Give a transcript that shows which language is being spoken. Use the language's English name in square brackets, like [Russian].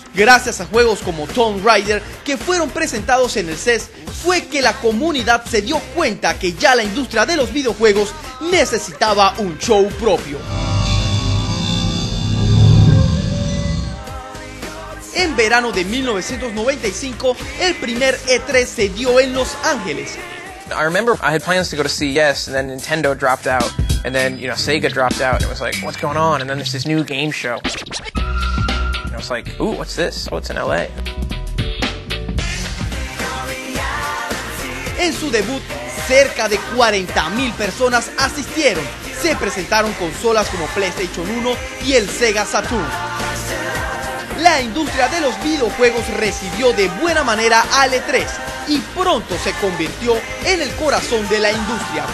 [Spanish] Gracias a juegos como Tomb Raider que fueron presentados en el CES, fue que la comunidad se dio cuenta que ya la industria de los videojuegos necesitaba un show propio. En verano de 1995, el primer E3 se dio en Los Ángeles. [English] I remember I had plans to go to CES, and then Nintendo dropped out, and then, you know, Sega dropped out, and it was like, what's going on? And then there's this new game show. And I was like, ooh, what's this? Oh, it's in LA. [Spanish] En su debut, cerca de 40,000 personas asistieron. Se presentaron consolas como PlayStation 1 y el Sega Saturn. La industria de los videojuegos recibió de buena manera al E3 y pronto se convirtió en el corazón de la industria.